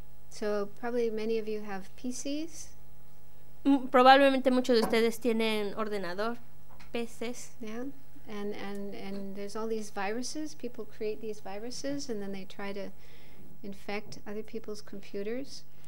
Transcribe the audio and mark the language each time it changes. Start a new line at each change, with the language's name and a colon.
English: So probably many of you have PCs.
Spanish: Probablemente muchos de ustedes tienen ordenador, PCs.
English: Yeah. And there's all these viruses. People create these viruses and then they try to infect other people's computers.